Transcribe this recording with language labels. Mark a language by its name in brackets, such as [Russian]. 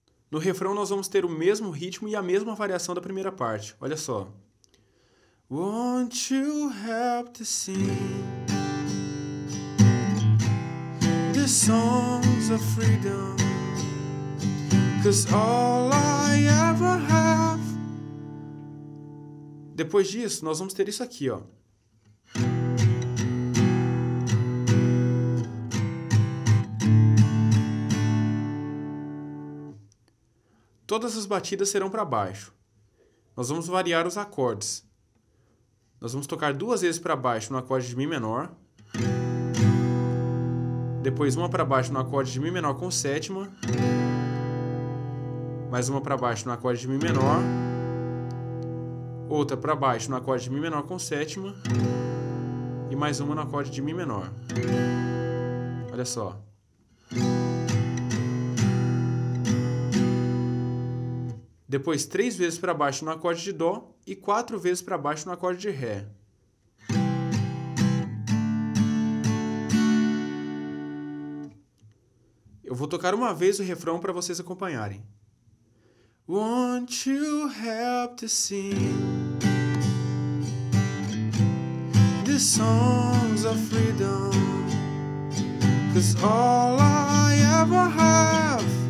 [Portuguese] No refrão, nós vamos ter o mesmo ritmo e a mesma variação da primeira parte. Olha só. [English] Won't you help to sing songs of freedom, 'cause all I ever have. [Portuguese] Depois disso, nós vamos ter isso aqui, ó. Todas as batidas serão para baixo. Nós vamos variar os acordes. Nós vamos tocar duas vezes para baixo no acorde de Mi menor. Depois uma para baixo no acorde de Mi menor com sétima. Mais uma para baixo no acorde de Mi menor. Outra para baixo no acorde de Mi menor com sétima. E mais uma no acorde de Mi menor. Olha só. Depois três vezes para baixo no acorde de Dó e quatro vezes para baixo no acorde de Ré. Eu vou tocar uma vez o refrão para vocês acompanharem. [English] Won't you help to sing the songs of freedom, 'cause all I ever have.